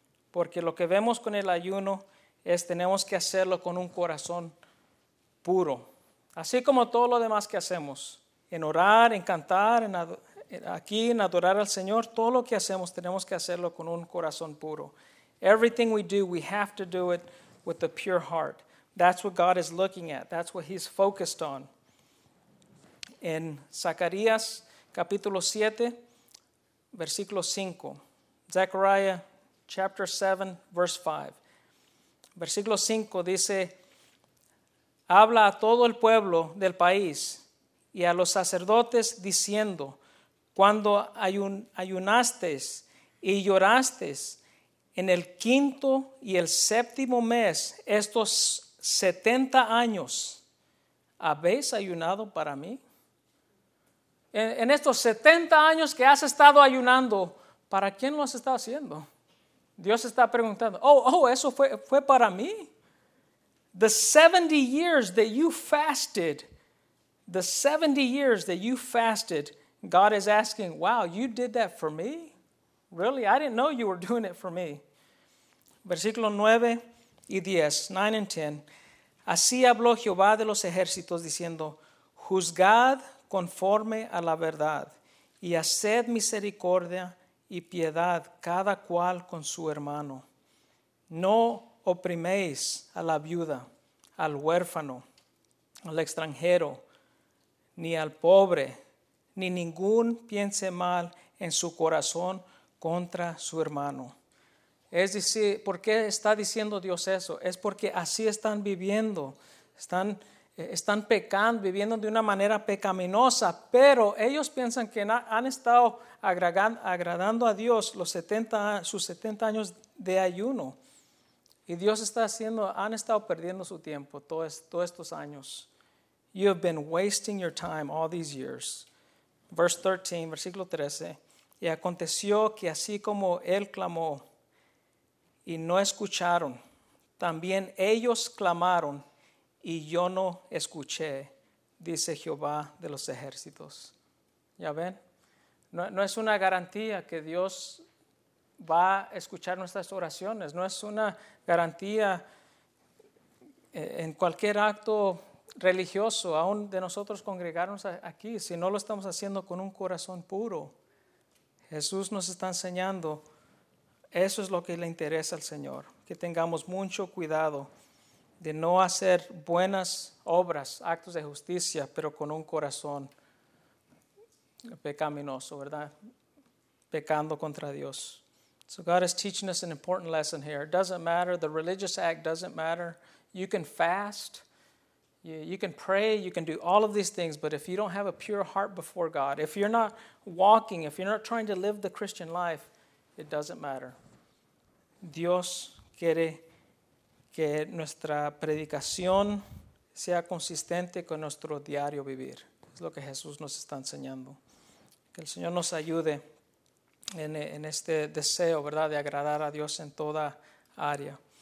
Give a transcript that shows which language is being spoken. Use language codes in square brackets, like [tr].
[es] Porque lo que vemos con el ayuno es tenemos que hacerlo con un corazón puro. Así como todo lo demás que hacemos. En orar, en cantar, en adorar al Señor. Todo lo que hacemos tenemos que hacerlo con un corazón puro. [en] Everything we do, we have to do it with a pure heart. That's what God is looking at. That's what he's focused on. [es] En Zacarías capítulo 7, versículo 5. [en] Zechariah chapter 7, verse 5. [es] Versículo 5 dice, habla a todo el pueblo del país y a los sacerdotes diciendo, cuando ayunasteis y llorasteis en el quinto y el séptimo mes, estos 70 años, ¿habéis ayunado para mí? En estos 70 años que has estado ayunando, ¿para quién lo has estado haciendo? Dios está preguntando, eso fue para mí. [en] The 70 years that you fasted, the 70 years that you fasted, God is asking, wow, you did that for me? Really? I didn't know you were doing it for me. [es] Versículo 9 y 10, [en] 9 and 10. [es] Así habló Jehová de los ejércitos diciendo, juzgad conforme a la verdad y haced misericordia y piedad cada cual con su hermano. No opriméis a la viuda, al huérfano, al extranjero, ni al pobre, ni ningún piense mal en su corazón contra su hermano. Es decir, ¿por qué está diciendo Dios eso? Es porque así están viviendo, están pecando, viviendo de una manera pecaminosa, pero ellos piensan que han estado agradando a Dios sus 70 años de ayuno. Y Dios está haciendo, han estado perdiendo su tiempo todos estos años. [en] You have been wasting your time all these years. Verse 13, [es] versículo 13. Y aconteció que así como él clamó y no escucharon, también ellos clamaron y yo no escuché, dice Jehová de los ejércitos. ¿Ya ven? No es una garantía que Dios va a escuchar nuestras oraciones. No es una garantía en cualquier acto religioso, aún de nosotros congregarnos aquí, si no lo estamos haciendo con un corazón puro. Jesús nos está enseñando, eso es lo que le interesa al Señor, que tengamos mucho cuidado de no hacer buenas obras, actos de justicia, pero con un corazón pecaminoso, ¿verdad? Pecando contra Dios. [en] So God is teaching us an important lesson here. It doesn't matter. The religious act doesn't matter. You can fast. You can pray. You can do all of these things. But if you don't have a pure heart before God, if you're not walking, if you're not trying to live the Christian life, it doesn't matter. [es] Dios quiere que nuestra predicación sea consistente con nuestro diario vivir. Es lo que Jesús nos está enseñando. Que el Señor nos ayude en este deseo, ¿verdad?, de agradar a Dios en toda área.